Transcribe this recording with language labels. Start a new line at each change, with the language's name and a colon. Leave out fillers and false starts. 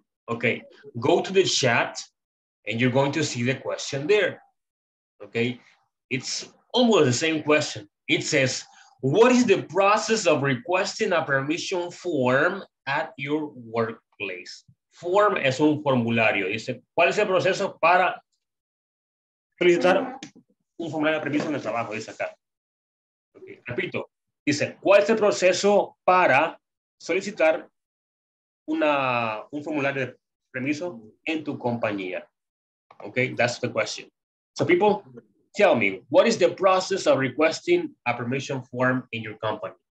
English: Okay, go to the chat and you're going to see the question there. Okay, it's almost the same question. It says, what is the process of requesting a permission form at your workplace?
Spanish: Form es un formulario. Dice, ¿cuál es el proceso para solicitar un formulario de permiso en el trabajo? Dice acá. Okay, repito. Dice, ¿cuál es el proceso para solicitar un formulario de permiso en tu compañía?
English: Okay, that's the question. So people, tell me, what is the process of requesting a permission form in your company?